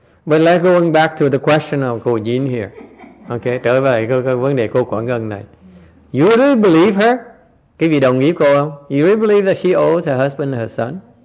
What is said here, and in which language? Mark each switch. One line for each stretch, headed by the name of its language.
English: But let's go back to the question of Cô Jean here.
Vietnamese: Okay, trở về cái vấn đề cô Quảng Ngân này.
English: You really believe her?
Vietnamese: Cái vị đồng ý cô không?
English: You really believe that she owes her husband and her son?